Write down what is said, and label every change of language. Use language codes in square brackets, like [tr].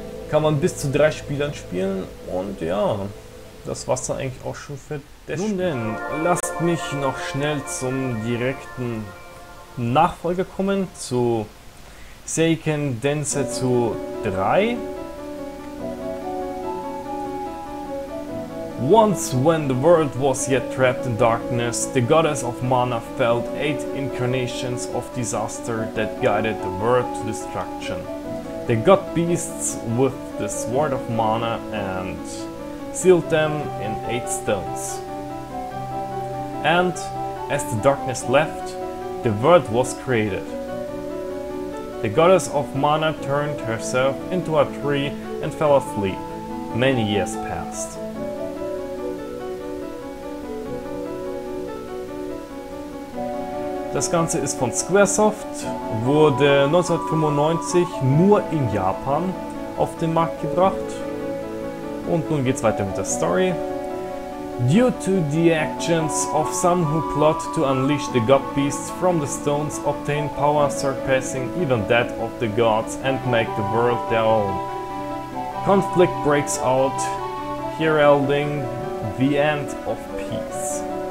[de] Kann man bis zu 3 Spielern spielen und ja, das war's dann eigentlich auch schon für das Spiel. Nun denn, lasst mich noch schnell zum direkten Nachfolger kommen, zu Seiken Densetsu 3. [en] Once when the world was yet trapped in darkness, the goddess of mana felt 8 incarnations of disaster that guided the world to destruction. The god beasts with the sword of mana and sealed them in 8 stones. And as the darkness left, the world was created. The goddess of mana turned herself into a tree and fell asleep. Many years passed. [de] Das Ganze ist von Squaresoft, wurde 1995 nur in Japan auf den Markt gebracht. Und nun geht's weiter mit der Story. [en] Due to the actions of some who plot to unleash the god beasts from the stones, obtain power surpassing even that of the gods and make the world their own. Conflict breaks out, heralding the end of peace.